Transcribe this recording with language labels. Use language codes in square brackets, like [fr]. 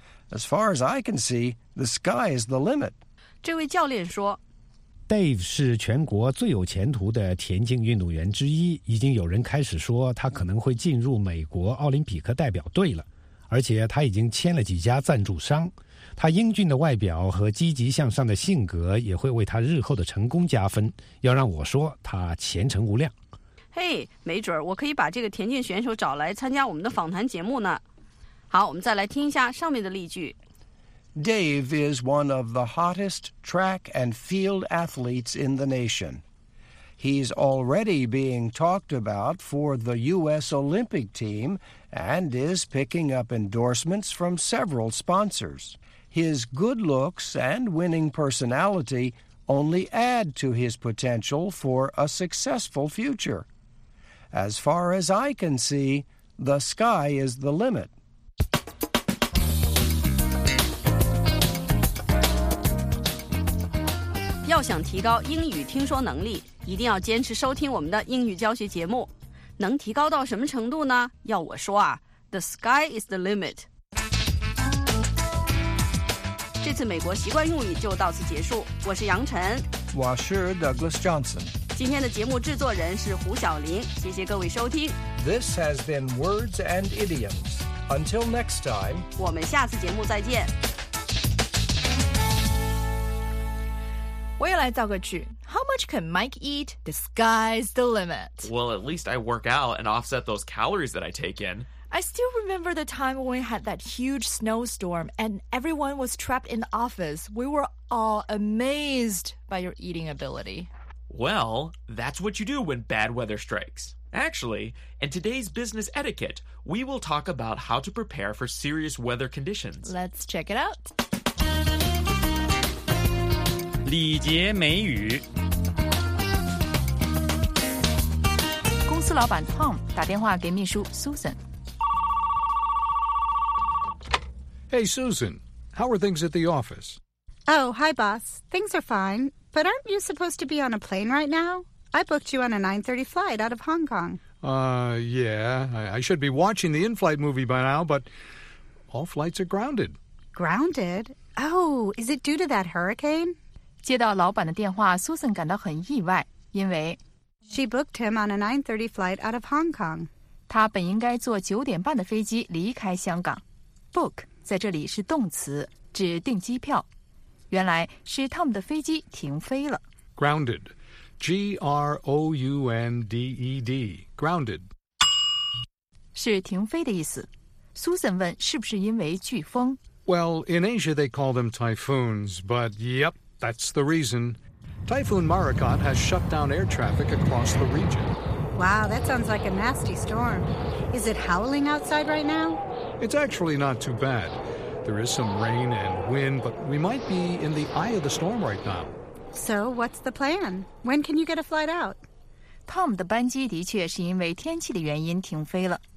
[en] As far as I can see, the sky is the limit. [zh] 这位教练说 ,Dave 是全国最有前途的田径运动员之一，已经有人开始说他可能会进入美国奥林匹克代表队了，而且他已经签了几家赞助商。他英俊的外表和积极向上的性格也会为他日后的成功加分，要让我说他前程无量。嘿、hey, 没准我可以把这个田径选手找来参加我们的访谈节目呢。好，我们再来听一下上面的例句。 [en] Dave is one of the hottest track and field athletes in the nation. He's already being talked about for the U.S. Olympic team and is picking up endorsements from several sponsors. His good looks and winning personality only add to his potential for a successful future. As far as I can see, the sky is the limit. [zh] 要想提高英语听说能力，一定要坚持收听我们的英语教学节目。能提高到什么程度呢？要我说啊， [en] the sky is the limit. [zh] 这次美国习惯用语就到此结束。我是杨晨。我是 Douglas Johnson。今天的节目制作人是胡晓琳，谢谢各位收听。 [en] This has been Words and Idioms. Until next time. [zh] 我们下次节目再见。我也来造个句。 [en] How much can Mike eat? The sky's the limit. Well, at least I work out and offset those calories that I take in. I still remember the time when we had that huge snowstorm and everyone was trapped in the office. We were all amazed by your eating ability. Well, that's what you do when bad weather strikes. Actually, in today's business etiquette, we will talk about how to prepare for serious weather conditions. Let's check it out. [zh] 礼节美语。公司老板 Tom 打电话给秘书 Susan. [en] Hey, Susan, how are things at the office? Oh, hi, boss. Things are fine. But aren't you supposed to be on a plane right now? I booked you on a 9:30 flight out of Hong Kong. Yeah. I should be watching the in-flight movie by now, but all flights are grounded. Grounded? Oh, is it due to that hurricane? [zh] 接到老板的电话 ,Susan 感到很意外,因为 [en] She booked him on a 9:30 flight out of Hong Kong. [zh] 他本应该坐九点半的飞机离开香港。Book 在这里是动词,指订机票。原来是 Tom 的飞机停飞了。 [en] Grounded. G-R-O-U-N-D-E-D. Grounded. [zh] 是停飞的意思。 Susan 问是不是因为飓风。 [en] Well, in Asia they call them typhoons, but yep, that's the reason. Typhoon Morikot has shut down air traffic across the region. Wow, that sounds like a nasty storm. Is it howling outside right now? It's actually not too bad. There is some rain and wind, but we might be in the eye of the storm right now. So, what's the plan? When can you get a flight out? [zh] Tom 的班机的确是因为天气的原因停飞了。